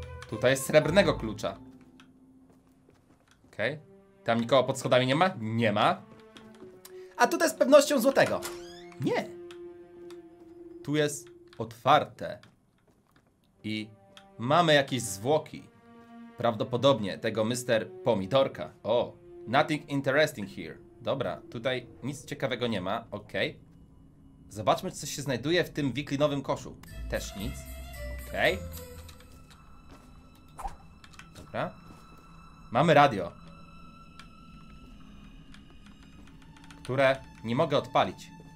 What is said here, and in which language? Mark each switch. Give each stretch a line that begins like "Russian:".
Polish: Tutaj jest srebrnego klucza. Okej. Tam nikogo pod schodami nie ma? Nie ma. A tutaj z pewnością złotego. Nie. Tu jest otwarte i mamy jakieś zwłoki. prawdopodobnie tego Mr. Pomidorka.
English: O, nothing interesting here.
Polish: Dobra, tutaj nic ciekawego nie ma, okej. Zobaczmy, co się znajduje w tym wiklinowym koszu. Też nic, okej. Dobra. Mamy radio, które nie mogę odpalić.